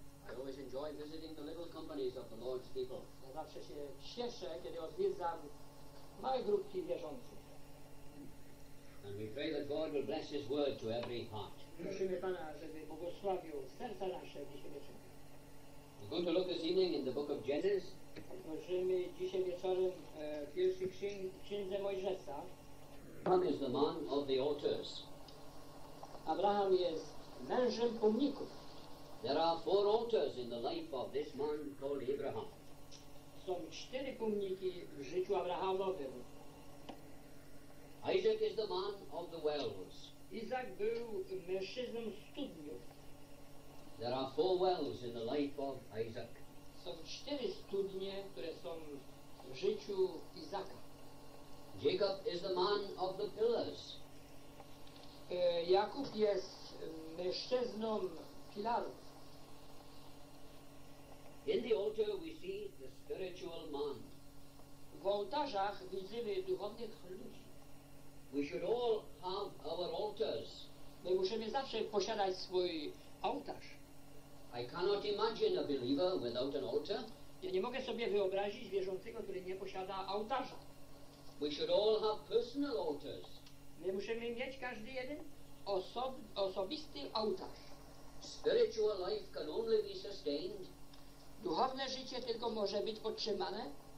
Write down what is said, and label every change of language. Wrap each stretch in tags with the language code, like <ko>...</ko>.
<en>I always enjoy visiting the little companies of the Lord's people.</en> <pl>Ja zawsze się cieszę, kiedy odwiedzam małe grupki wierzących.</pl> <en>And we pray that God will bless His word to every heart.</en> <pl>Prosimy Pana, żeby błogosławił serca nasze dzisiaj wieczorem.</pl> <en>We're going to look this evening in the book of Genesis.</en> <pl>Otworzymy dzisiaj wieczorem pierwszy księdze Mojżesa.</pl> <en>Abraham is the man of the altars.</en> <pl>Abraham jest mężem pomników.</pl> <en>There are four altars in the life of this man called Abraham.</en> <pl>Są cztery pomniki w życiu Abrahamowym.</pl> <en>Isaac is the man of the wells.</en> <pl>Izak był mężczyzną studniów.</pl> <en>There are four wells in the life of Isaac.</en> <pl>Są cztery studnie, które są w życiu Izaka.</pl> <en>Jacob is the man of the pillars.</en> <pl>Jakub jest mężczyzną filarów.</pl> <en>In the altar we see the spiritual man.</en> <pl>W ołtarzach widzimy duchownych ludzi.</pl> <en>We should all have our altars.</en> <pl>My musimy zawsze posiadać swój ołtarz.</pl> <en>I cannot imagine a believer without an altar.</en> <pl>Ja nie mogę sobie wyobrazić wierzącego, który nie posiada ołtarza.</pl> <en>We should all have personal altars.</en> <pl>My musimy mieć każdy jeden osobisty ołtarz.</pl> <en>Spiritual life can only be sustained.</en> <pl>Duchowne życie tylko może być podtrzymane,</pl>